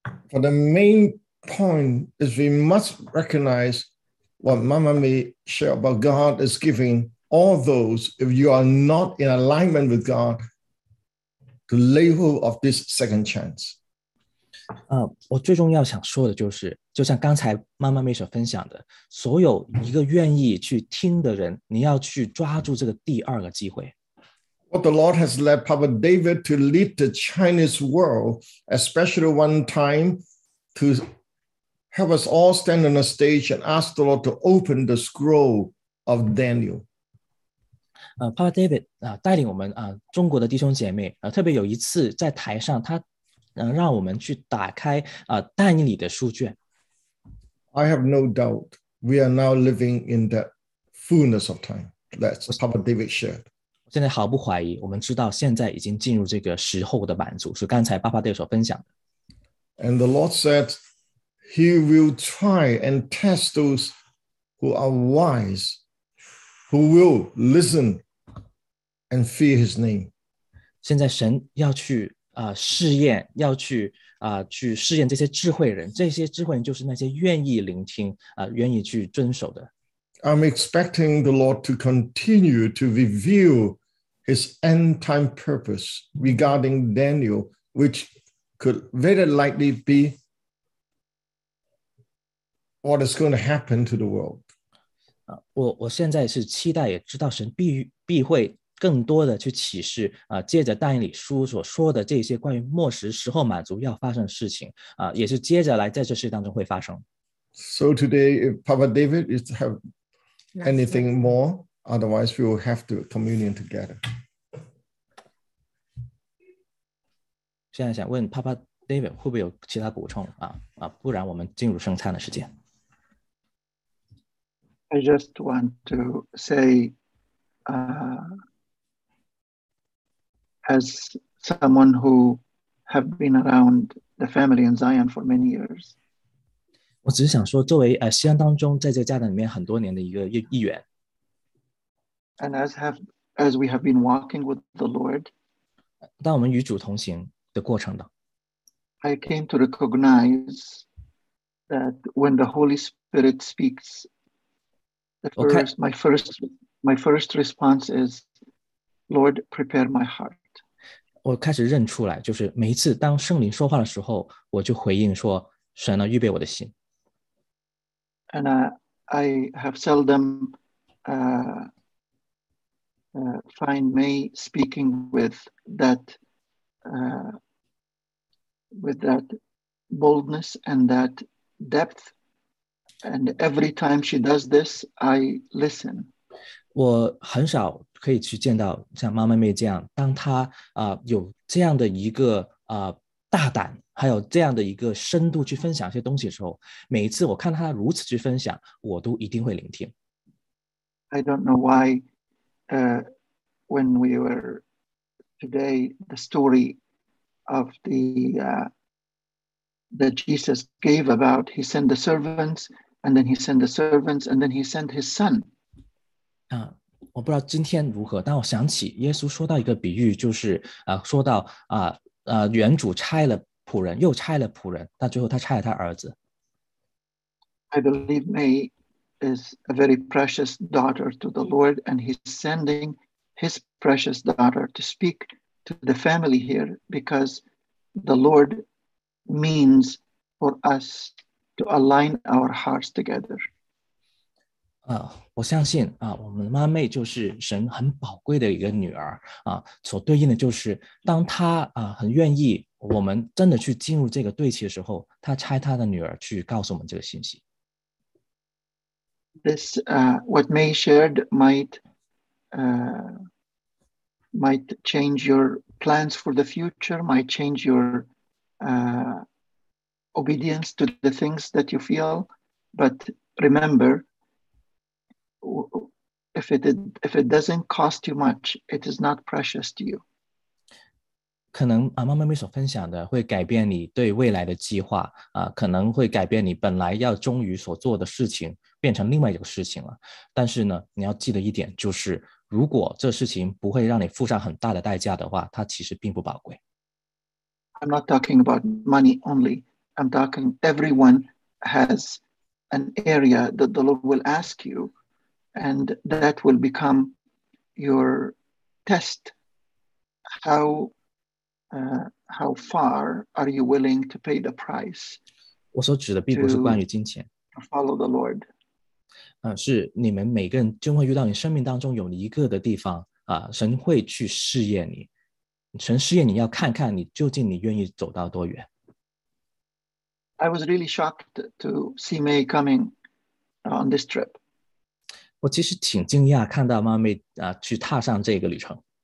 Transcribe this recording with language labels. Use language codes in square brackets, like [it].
[en] But the main point is we must recognize. What Mama may share about God is giving all those, if you are not in alignment with God, the level of this second chance. [zh] 我最重要想说的就是，就像刚才Mama may所分享的，所有一个愿意去听的人，你要去抓住这个第二个机会。 [en] What the Lord has led Papa David to lead the Chinese world, especially one time to... Have us all stand on a stage and ask the Lord to open the scroll of Daniel. [zh] Papa David, 带领我们中国的弟兄姐妹特别有一次在台上，他让我们去打开但以理的书卷。 [en] I have no doubt we are now living in that fullness of time. That's Papa David shared. [zh] 现在毫不怀疑，我们知道现在已经进入这个时候的满足，是刚才 Papa David 所分享的。 [en] And the Lord said. He will try and test those who are wise, who will listen and fear his name. [zh] 现在神要去试验，要去去试验这些智慧人。这些智慧人就是那些愿意聆听愿意去遵守的。 [en] I'm expecting the Lord to continue to reveal his end time purpose regarding Daniel, which could very likely be. What is going to happen to the world? [zh] 我现在是期待，也知道神必会更多的去启示借着但以理书所说的这些关于末时时候满足要发生的事情也是接着来在这事当中会发生。 [en] So today, if Papa David is to have anything more, otherwise we will have to communion together. [zh] 现在想问 Papa David 会不会有其他补充不然我们进入圣餐的时间。 [en] I just want to say, as someone who have been around the family in Zion for many years, [zh] 我只是想说，作为西安当中在这家庭里面很多年的一个一员 [en] ，and as we have been walking with the Lord, [zh] 当我们与主同行的过程当 [en] ，I came to recognize that when the Holy Spirit speaks. The first, my first My first response is, Lord, prepare my heart. [zh] 我开始认出来，就是每一次当圣灵说话的时候，我就回应说，神啊，预备我的心。 [en] And I have seldom find me speaking with that boldness and that depth. And every time she does this, I listen. [zh] 我很少可以去见到像妈妈妹这样，当她有这样的一个大胆，还有这样的一个深度去分享一些东西的时候，每一次我看她如此去分享，我都一定会聆听。 [en] I don't know why, when we were today, the story of that Jesus gave about he sent the servants, and then he sent the servants, and then he sent his son. [zh] 我不知道今天如何，但我想起耶稣说到一个比喻，就是说到原主差了仆人，又差了仆人，但最后他差了他儿子。 [en] I believe May is a very precious daughter to the Lord, and he's sending his precious daughter to speak to the family here because the Lord means for us to align our hearts together. [zh] 我相信我们妈妹就是神很宝贵的一个女儿所对应的就是当她很愿意我们真的去进入这个对齐的时候，她差她的女儿去告诉我们这个信息。 [en] This what May shared might change your plans for the future, might change your obedience to the things that you feel, but remember. If it doesn't cost you much, it is not precious to you. [zh] 可能妈妈咪所分享的会改变你对未来的计划可能会改变你本来要忠于所做的事情变成另外一个事情了。但是呢，你要记得一点，就是如果这事情不会让你付上很大的代价的话，它其实并不宝贵。 [en] I'm not talking about money only. I'm talking everyone has an area that the Lord will ask you. And that will become your test. How far are you willing to pay the price? [zh] 我所指的并不是关于金钱。 [en] To follow the Lord. [zh] 是你们每个人就会遇到你生命当中有一个的地方神会去试验你。神试验你要看看你究竟你愿意走到多远。 [en] I was really shocked to see May coming on this trip. [zh] 我其实挺惊讶看到妈妹去踏上这个旅程。